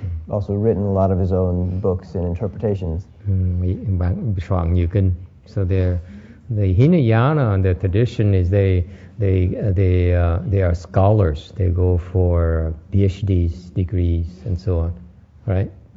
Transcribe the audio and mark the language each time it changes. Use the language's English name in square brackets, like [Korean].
[English] Also written a lot of his own books and interpretations. [Vietnamese] Soạn nhiều kinh. [English] So there The Hinayana, the tradition is they are scholars. They go for PhDs, degrees, and so on, right?